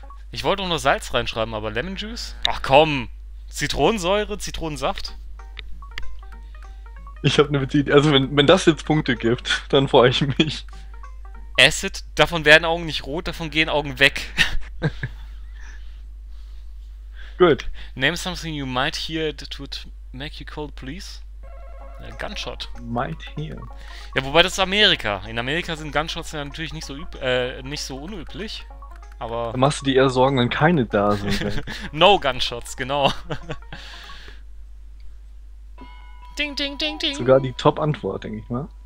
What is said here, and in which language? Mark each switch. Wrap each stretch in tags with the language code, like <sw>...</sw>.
<de>Ich wollte auch nur Salz reinschreiben, aber Lemon Juice? Ach komm! Zitronensäure, Zitronensaft? Ich hab ne Beziehung. Also, wenn das jetzt Punkte gibt, dann freue ich mich. Acid, davon werden Augen nicht rot, davon gehen Augen weg. Gut.</de> <en>Name something you might hear that would make you call the police. Gunshot. Might hear.</en> <de>Ja, wobei das ist Amerika. In Amerika sind Gunshots ja natürlich nicht so unüblich. Aber. Dann machst du dir eher Sorgen, wenn keine da sind. No Gunshots, genau. Ding, ding, ding, ding. Sogar die Top-Antwort, denke ich mal.</de>